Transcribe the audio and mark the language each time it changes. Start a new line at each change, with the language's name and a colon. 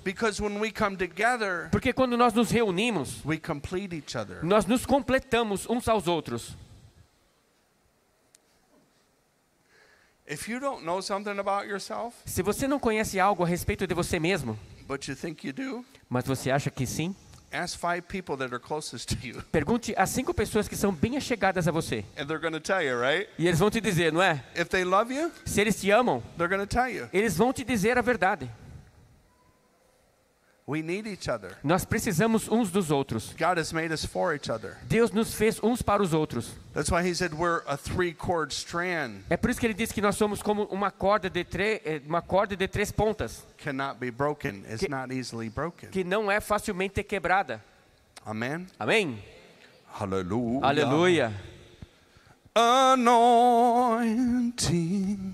English: Because when we come together,
Portuguese: porque quando nós nos reunimos,
English: we complete each other.
Portuguese: Nós nos completamos uns aos outros.
English: If you don't know something about yourself,
Portuguese: se você não conhece algo a respeito de você mesmo,
English: but you think you do,
Portuguese: mas você acha que sim,
English: ask five people that are closest to you.
Portuguese: Pergunte às cinco pessoas que são bem achegadas a você.
English: And they're gonna tell you, right?
Portuguese: E eles vão te dizer, não é?
English: If they love you,
Portuguese: se eles te amam,
English: they're gonna tell you.
Portuguese: Eles vão te dizer a verdade.
English: We need each other.
Portuguese: Nós precisamos uns dos outros.
English: God has made us for each other.
Portuguese: Deus nos fez uns para os outros.
English: That's why he said we're a three-chord strand.
Portuguese: É por isso que ele disse que nós somos como uma corda de três pontas.
English: Cannot be broken. It's not easily broken.
Portuguese: Que não é facilmente quebrada.
English: Amen.
Portuguese: Amém. Aleluia. Aleluia.
English: Anointing.